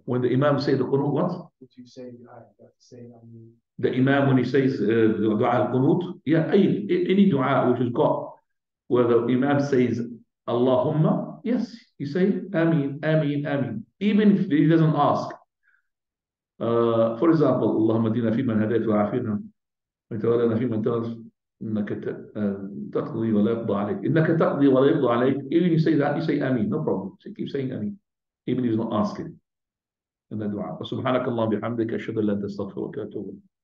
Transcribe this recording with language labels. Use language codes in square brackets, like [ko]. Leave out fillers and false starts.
[en] When the imam says the qunut, what? What do you say? The imam, when he says du'a al-qunut, yeah, any du'a which is got, where the imam says Allahumma, yes, you say Ameen, Ameen, Ameen. Even if he doesn't ask, For example, [ar] اللهم ادينا في من هديت وعافينا وتولنا في من تولى إنك تقضي ولا يقضى عليك. إنك تقضي ولا يقضى عليك. [en] Even you say that, you say آمين. No problem. So keep saying آمين. Even if he's not asking. In the dua. [ar] وسبحانك اللهم بحمدك أشهد أن لا إله إلا أنت أستغفرك وأتوب إليك.